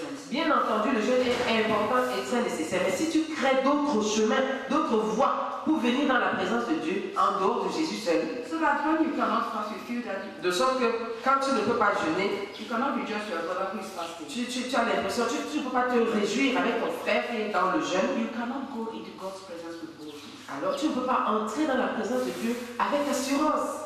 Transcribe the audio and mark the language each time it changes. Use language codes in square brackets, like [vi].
[fr] Bien entendu, le jeûne est important et très nécessaire. Mais si tu crées d'autres chemins, d'autres voies pour venir dans la présence de Dieu en dehors de Jésus seul, [en] so that when you cannot fast, you feel that [fr] de sorte que quand tu ne peux pas jeûner, [en] you cannot rejoice with your brother who is fasting. [fr] Tu as l'impression que tu ne peux pas te réjouir avec ton frère qui est dans le jeûne. [en] You cannot go into God's presence with boldness. [fr] Alors tu ne peux pas entrer dans la présence de Dieu avec assurance.